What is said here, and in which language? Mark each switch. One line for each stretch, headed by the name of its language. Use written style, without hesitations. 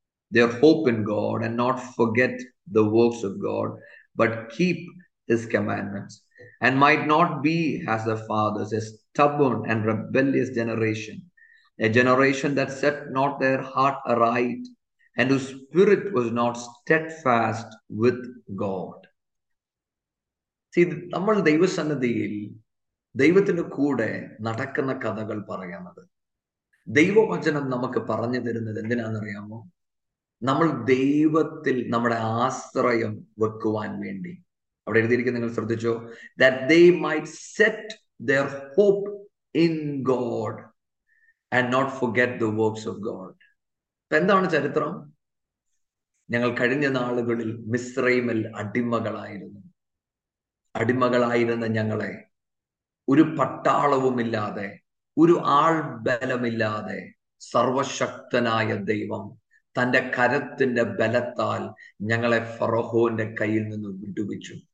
English: their hope in God and not forget the works of God, but keep his commandments, and might not be as the fathers, a stubborn and rebellious generation, a generation that set not their heart aright, and whose spirit was not steadfast with God.
Malayalam: See, നമ്മൾ ദൈവസന്നിധിയിൽ ദൈവത്തിന്റെ കൂടെ നടക്കുന്ന കഥകൾ പറയുന്നത്, ദൈവവചനം നമുക്ക് പറഞ്ഞു തരുന്നത് എന്തിനാണെന്നറിയാമോ? നമ്മൾ ദൈവത്തിൽ നമ്മുടെ ആശ്രയം വെക്കുവാൻ വേണ്ടി. അവിടെ എഴുതിയിരിക്കുന്ന നിങ്ങൾ ശ്രദ്ധിച്ചോ?
English: That they might set their hope in God and not forget the works of God.
Malayalam: എന്താണ് ചരിത്രം? ഞങ്ങൾ കഴിഞ്ഞ നാളുകളിൽ മിസ്രൈമിൽ അടിമകളായിരുന്നു. അടിമകളായിരുന്ന ഞങ്ങളെ ഒരു പട്ടാളവുമില്ലാതെ, ഒരു ആൾ ബലമില്ലാതെ സർവശക്തനായ ദൈവം തൻ്റെ കരത്തിൻ്റെ ബലത്താൽ ഞങ്ങളെ ഫറഹോന്റെ കയ്യിൽ നിന്ന് വിടുവിച്ചു.